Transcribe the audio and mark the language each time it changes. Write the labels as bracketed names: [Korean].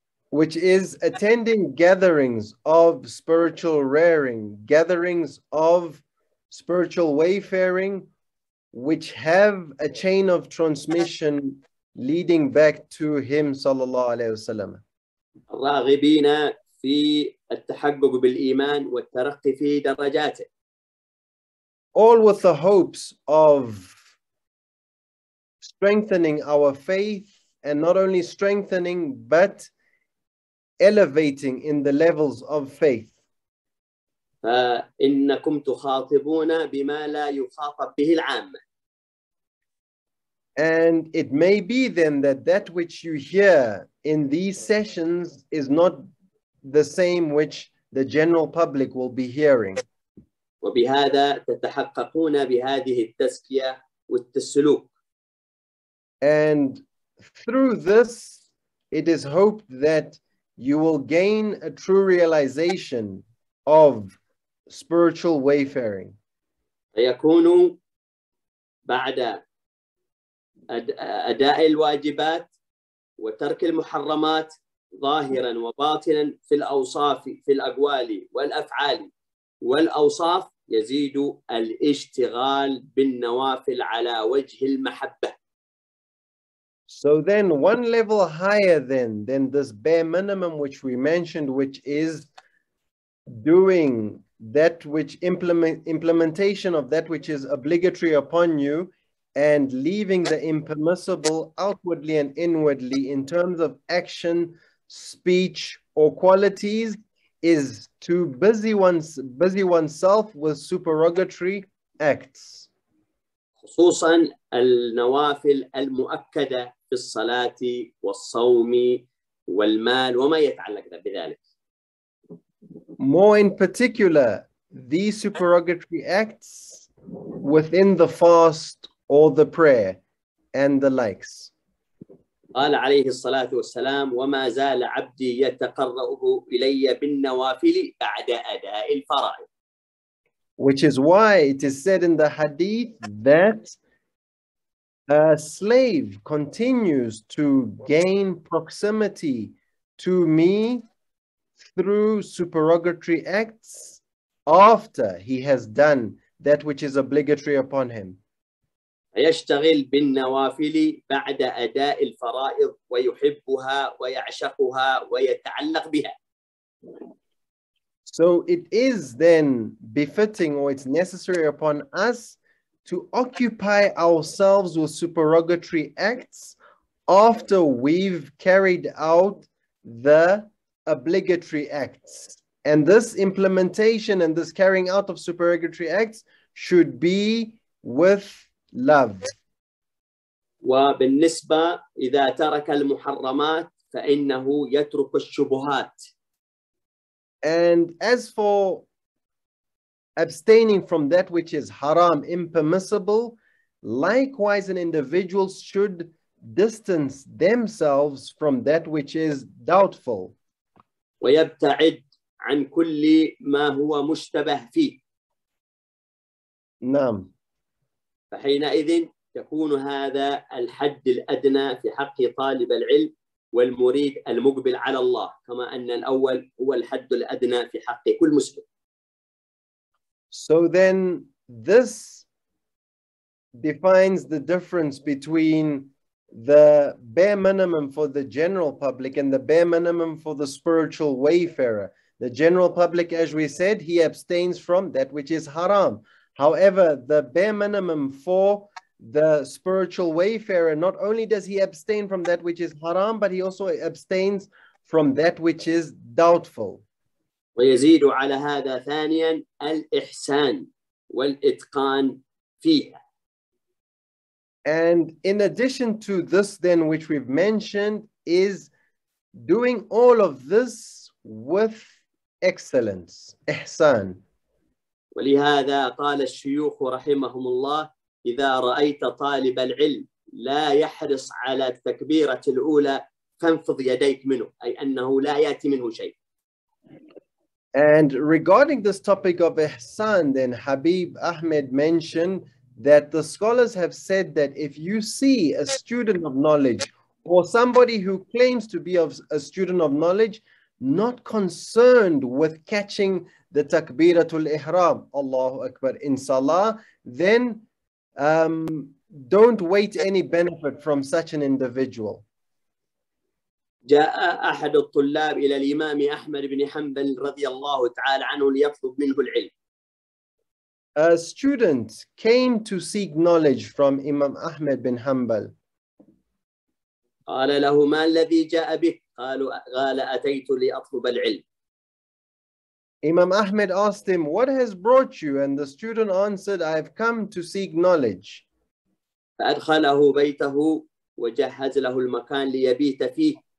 [English] Which is attending gatherings of spiritual rearing, gatherings of spiritual wayfaring, which have a chain of transmission leading back to him, [Arabic] sallallahu alayhi wa sallam. الراغبين في التحقق بالإيمان والترقي في درجاته. [English] All with the hopes of strengthening our faith, and not only strengthening, but elevating in the levels of faith. [Arabic] فإنكم تخاطبون بما لا يخاطب به العام. [English] And it may be then that which you hear in these sessions is not the same which the general public will be hearing. [Arabic] وبهذا تتحققون بهذه التزكية والتسلوك. [English] And through this, it is hoped that you will gain a true realization of spiritual wayfaring. [Arabic] سيكون بعد أداء الواجبات وترك المحرمات ظاهرا وباطنا في الأوصاف في الأقوال والأفعال والأوصاف يزيد الاشتغال بالنوافل على وجه المحبة. [English] So then one level higher than this bare minimum which we mentioned, which is doing that which implementation of that which is obligatory upon you and leaving the impermissible outwardly and inwardly in terms of action, speech or qualities, is to busy oneself with supererogatory acts. [Arabic] خصوصا النوافل المؤكدة في الصلاة والصوم والمال وما يتعلق بذلك. [English] More in particular, these supererogatory acts within the fast or the prayer and the likes. [Arabic] قال عليه الصلاة والسلام وما زال عبدي يتقرأه إلي بالنوافل بعد أداء الفرائض. [English] Which is why it is said in the hadith that a slave continues to gain proximity to me through supererogatory acts after he has done that which is obligatory upon him. [Arabic] يشتغل بالنوافل بعد أداء الفرائض ويحبها ويعشقها ويتعلق بها. [English] So it is then befitting, or it's necessary upon us to occupy ourselves with supererogatory acts after we've carried out the obligatory acts. And this implementation and this carrying out of supererogatory acts should be with love. [Arabic] وبالنسبة إذا ترك المحرمات فإنه يترك الشبهات. [English] And as for abstaining from that which is haram, impermissible, likewise an individual should distance themselves from that which is doubtful. [Arabic] ويبتعد عن كل ما هو مشتبه فيه. نعم. فحينئذ يكون هذا الحد الأدنى في حق طالب العلم والمريد المقبل على الله كما أن الأول هو الحد الأدنى في حق كل مسلم. [English] So then this defines the difference between the bare minimum for the general public and the bare minimum for the spiritual wayfarer. The general public, as we said, he abstains from that which is haram. However, the bare minimum for the spiritual wayfarer, not only does he abstain from that which is haram, but he also abstains from that which is doubtful. [Arabic] ويزيد على هذا ثانيا الإحسان والإتقان فيها. [English] And in addition to this then, which we've mentioned, is doing all of this with excellence, إحسان. [Arabic] ولهذا قال الشيوخ رحمهم الله إذا رأيت طالب العلم لا يحرص على التكبيرة الأولى فانفض يديك منه أي أنه لا يأتي منه شيء. [English] And regarding this topic of Ihsan, then Habib Ahmed mentioned that the scholars have said that if you see a student of knowledge or somebody who claims to be of a student of knowledge not concerned with catching the takbiratul ihram, [Arabic] Allahu Akbar, [English] in salah, then don't wait any benefit from such an individual. [Arabic] جاء أحد الطلاب إلى الإمام أحمد بن حنبل رضي الله تعالى عنه ليطلب منه العلم. [English] A student came to seek knowledge from Imam Ahmed bin Hanbal. [Arabic] قال له ما الذي جاء به؟ قال أتيت لأطلب العلم. [English] Imam Ahmed asked him, what has brought you? And the student answered, I have come to seek knowledge. [Arabic] فأدخله بيته وجهز له المكان ليبيت فيه.